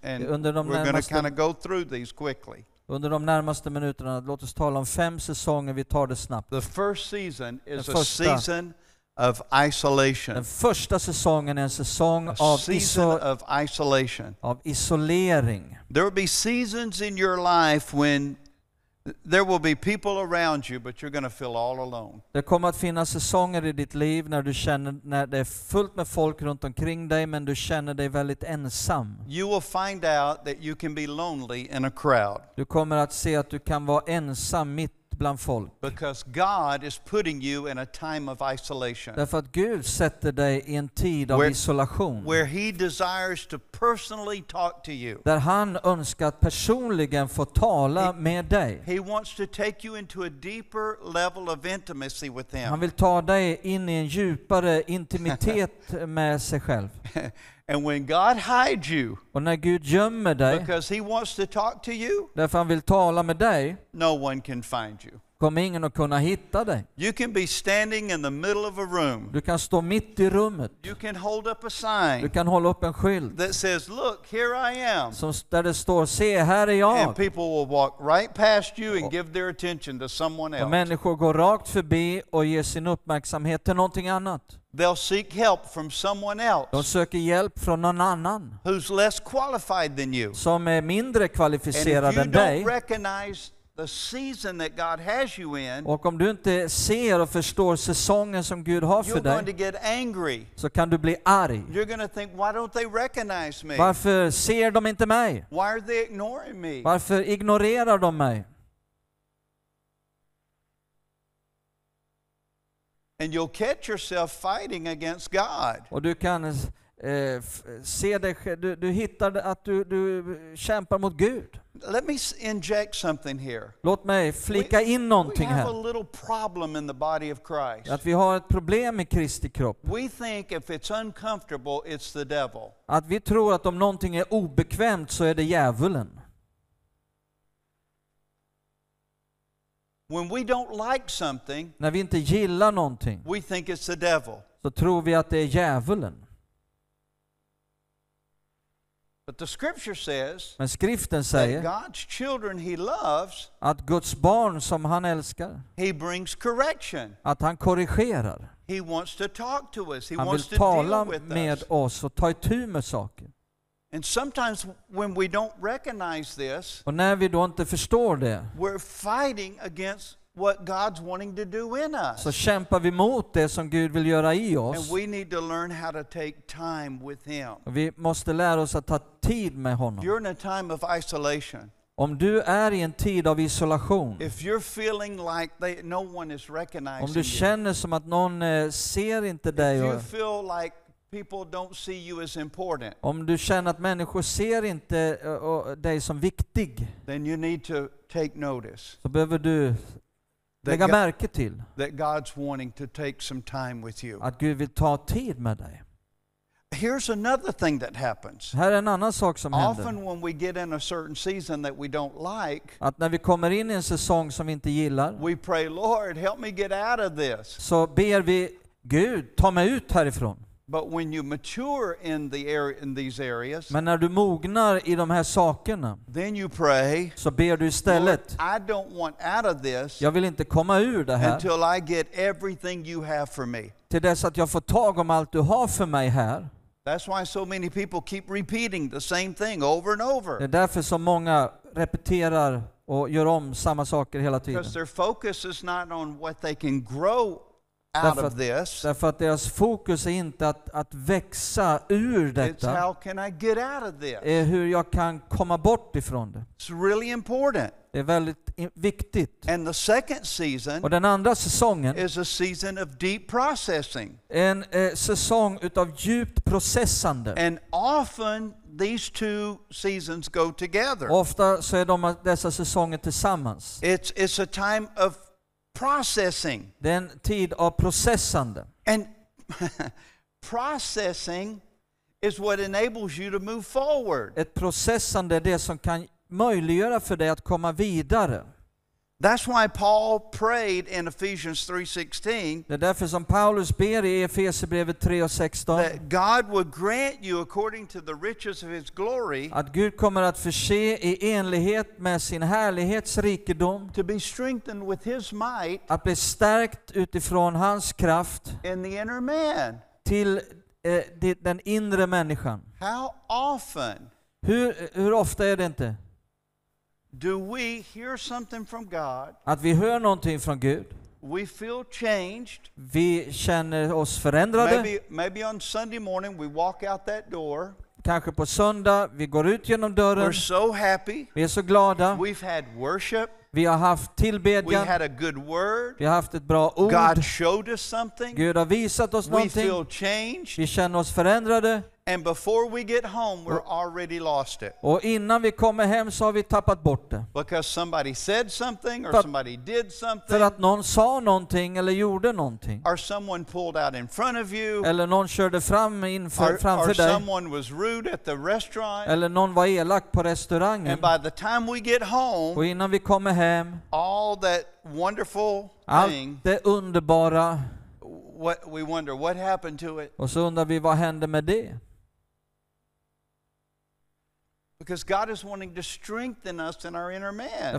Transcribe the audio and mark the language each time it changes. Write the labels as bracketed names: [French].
[English] and [Swedish] under de [English] we're going to kind of go through these quickly. [Swedish] Under de närmaste minuterna, låt oss tala om fem säsonger. Vi tar det snabbt. [English] The first season is a season of isolation. [Swedish] Den första säsongen är en säsong [English] of isolation. [Swedish] Av isolering. [English] There will be seasons in your life when there will be people around you, but you're going to feel all alone. [Swedish] Det kommer att finnas säsonger i ditt liv när du känner när det är fullt med folk runt omkring dig, men du känner dig väldigt ensam. [English] You will find out that you can be lonely in a crowd. [Swedish] Du kommer att se att du kan vara ensam mitt bland folk. [English] Because God is putting you in a time of isolation. [Swedish] Därför att Gud sätter dig i en tid av isolation. [English] Where he desires to personally talk to you. [Swedish] Där han önskar att personligen få tala med dig. [English] He wants to take you into a deeper level of intimacy with him. [Swedish] Han vill ta dig in i en djupare intimitet med sig själv. [English] And when God hides you, [Swedish] och när Gud gömmer dig, [English] because he wants to talk to you, [Swedish] därför han vill tala med dig, [English] no one can find you. [Swedish] kommer ingen att kunna hitta dig. [English] You can be standing in the middle of a room. [Swedish] Du kan stå mitt I rummet. [English] You can hold up a sign. [Swedish] Du kan hålla upp en skylt. [English] That says, "Look, here I am." [Swedish] Som där det står, se här är jag. [English] And people will walk right past you and give their attention to someone else. [Swedish] Och människor går rakt förbi och ger sin uppmärksamhet till någonting annat. [English] They'll seek help from someone else. [Swedish] De söker hjälp från någon annan. [English] Who's less qualified than you? [Swedish] Som är mindre kvalificerad än dig. [English] And if you don't recognize the season that God has you in. [Swedish] Och om du inte ser och förstår säsongen som Gud har för dig. [English] You're going to get angry. [Swedish] Så kan du bli arg. [English] You're going to think, why don't they recognize me? [Swedish] Varför ser de inte mig? [English] Why are they ignoring me? [Swedish] Varför ignorerar de mig? [English] And you'll catch yourself fighting against God. [Swedish] Och du kan se dig, du hittar att du kämpar mot Gud. [English] Let me inject something here. [Swedish] Låt mig flika in någonting här. [English] We have a little problem in the body of Christ. [Swedish] Att vi har ett problem I Kristi kropp. [English] We think if it's uncomfortable, it's the devil. [Swedish] Att vi tror att om någonting är obekvämt så är det djävulen. [English] When we don't like something, [Swedish] när vi inte gillar någonting, [English] we think it's the devil. [Swedish] Så tror vi att det är djävulen. [English] But the scripture says, [Swedish] men skriften säger, [English] that God's children he loves, [Swedish] att Guds barn som han älskar, [English] he brings correction. [Swedish] Att han korrigerar. [English] He wants to talk to us. He [Swedish] han [English] wants [Swedish] vill tala [English] to deal with [Swedish] med [English] us. [Swedish] Oss och ta itu med saker. [English] And sometimes when we don't recognize this, [Swedish] och när vi då inte förstår det, [English] we're fighting against what God's wanting to do in us. [Swedish] Så kämpar vi mot det som Gud vill göra I oss. [English] And we need to learn how to take time with him. [Swedish] Och vi måste lära oss att ta tid med honom. [English] You're in a time of isolation. [Swedish] Om du är I en tid av isolation. [English] If you're feeling like no one is recognizing you. [Swedish] Om du känner som att någon ser inte dig. [English] If you feel like people don't see you as important. [Swedish] Om du känner att människor ser inte dig som viktig. [English] Then you need to take notice. [Swedish] Så behöver du lägga märke till. [English] That God's wanting to take some time with you. [Swedish] Att Gud vill ta tid med dig. [English] Here's another thing that happens. [Swedish] Här är en annan sak som [English] often [Swedish] händer. [English] Often when we get in a certain season that we don't like. [Swedish] Att när vi kommer in I en säsong som vi inte gillar. [English] We pray, Lord, help me get out of this. [Swedish] Så ber vi Gud, ta mig ut härifrån. [English] But when you mature in the area, in these areas, [Swedish] men när du mognar I de här sakerna, [English] then you pray, [Swedish] så ber du istället, [English] Lord, I don't want out of this, [Swedish] jag vill inte komma ur det här, [English] until I get everything you have for me, [Swedish] till dess att jag får tag om allt du har för mig här. [English] That's why so many people keep repeating the same thing over and over. [Swedish] Det är därför så många repeterar och gör om samma saker hela tiden. [English] Because their focus is not on what they can grow out of this. [Swedish] Därför att deras fokus är inte att växa ur detta. [English] It's how can I get out of this? [Swedish] Är hur jag kan komma bort ifrån det. [English] It's really important. [Swedish] Det är väldigt viktigt. [English] And the second season, [Swedish] och den andra säsongen, [English] is a season of deep processing. [Swedish] En säsong utav djupt processande. [English] And often these two seasons go together. [Swedish] Ofta så är dessa säsonger tillsammans. [English] It's a time of processing. [Swedish] Den tid av processande. [English] And processing is what enables you to move forward. [Swedish] Ett processande är det som kan möjliggöra för dig att komma vidare. [English] That's why Paul prayed in Ephesians 3:16. [Swedish] Det är därför som Paulus ber I Efeserbrevet 3:16. [English] That God would grant you according to the riches of his glory. [Swedish] Att Gud kommer att förse I enlighet med sin härlighets rikedom. [English] To be strengthened with his might. [Swedish] Att bli stärkt utifrån hans kraft. [English] In the inner man. [Swedish] Till den inre människan. [English] How often? [Swedish] Hur ofta är det inte? [English] Do we hear something from God? [Swedish] Att vi hör någonting från Gud. [English] We feel changed. [Swedish] Vi känner oss förändrade. [English] Maybe on Sunday morning we walk out that door. [Swedish] Kanske på söndag vi går ut genom dörren. [English] We're so happy. [Swedish] Vi är så glada. [English] We've had worship. [Swedish] Vi har haft tillbedjan. [English] We had a good word. [Swedish] Vi har haft ett bra ord. [English] God showed us something. [Swedish] Gud har visat oss [English] we [Swedish] någonting. [English] We feel changed. [Swedish] Vi känner oss förändrade. [English] And before we get home, we're already lost it. [Swedish] Och innan vi kommer hem så har vi tappat bort det. [English] Because somebody said something or somebody did something. [Swedish] För att någon sa någonting eller gjorde någonting. [English] Or someone pulled out in front of you. [Swedish] Eller någon körde fram framför dig. [English] Or someone was rude at the restaurant. [Swedish] Eller någon var elak på restaurangen. [English] And by the time we get home, [Swedish] och innan vi kommer hem, [English] all that wonderful thing, [Swedish] allt det underbara, [English] what we wonder what happened to it. [Swedish] Och så undrar vi vad hände med det. [English] Because God is wanting to strengthen us in our inner man.